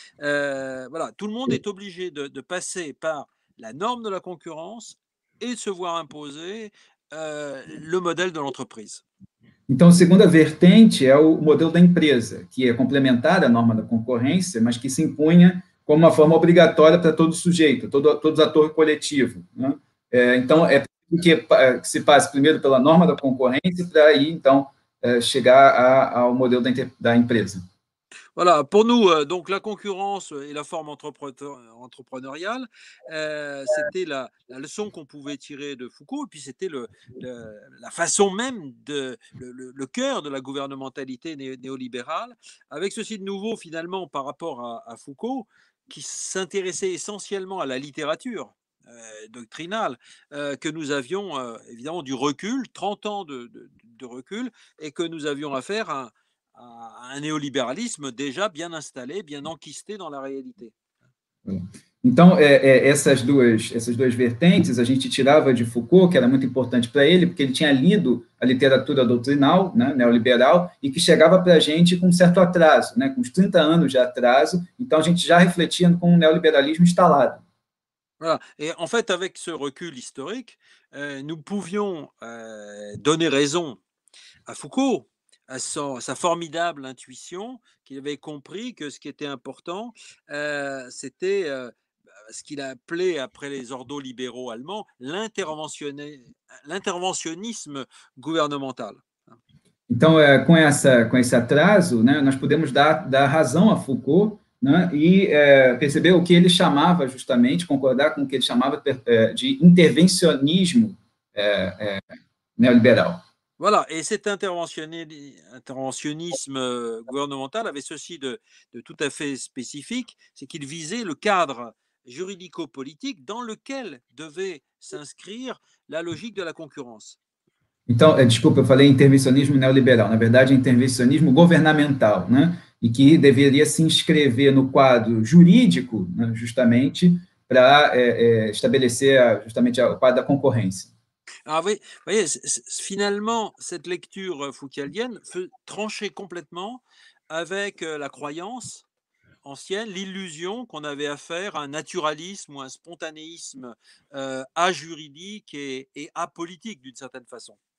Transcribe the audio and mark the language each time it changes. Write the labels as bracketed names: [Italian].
[French] Voilà, tout le monde est obligé de passer par la norme de la concurrence et de se voir imposer le modèle de l'entreprise. [Portuguese] Então, a segunda vertente é o modelo da empresa, que é complementar à norma da concorrência, mas que se impunha como uma forma obrigatória para todo sujeito, todo ator coletivo. Né? Então, é preciso que se passe primeiro pela norma da concorrência para aí, então, chegar ao modelo da empresa. [French] Voilà, pour nous, donc la concurrence et la forme entrepreneuriale, c'était la leçon qu'on pouvait tirer de Foucault, et puis c'était la façon même, le cœur de la gouvernementalité néolibérale, avec ceci de nouveau finalement par rapport à Foucault, qui s'intéressait essentiellement à la littérature doctrinale, que nous avions évidemment du recul, 30 ans de recul, et que nous avions affaire à un néolibéralisme déjà bien installé, bien enquisté dans la réalité. [Portuguese] Então, essas duas vertentes a gente tirava de Foucault, que era muito importante para ele, porque ele tinha lido a literatura doutrinal, né, neoliberal, e que chegava para a gente com um certo atraso, né, com uns 30 anos de atraso, então a gente já refletia com um neoliberalismo instalado. [French] Voilà. Et en fait, avec ce recul historique, nous pouvions donner raison à Foucault, à sa formidable intuition, qu'il avait compris que ce qui était important, c'était ce qu'il a appelé, après les ordolibéraux allemands, l'interventionnisme gouvernemental. [Portuguese] Então, com esse atraso, né, nós podemos dar razão a Foucault, né, e perceber o que ele chamava, justamente, concordar com o que ele chamava de intervencionismo neoliberal. [French] Voilà, et cet interventionnisme gouvernemental avait ceci de tout à fait spécifique, c'est qu'il visait le cadre juridico-politique dans lequel devait s'inscrire la logique de la concurrence. [Portuguese] Então, desculpa, eu falei intervencionismo neoliberal, na verdade, intervencionismo governamental, né? E que deveria se inscrever no quadro jurídico, né, justamente, para estabelecer justamente o quadro da concorrência. [French] Ah, vous voyez, finalement, cette lecture foucaultienne tranchait complètement avec la croyance ancienne, l'illusion qu'on avait affaire à un naturalisme ou un spontanéisme ajuridique et apolitique d'une certaine façon.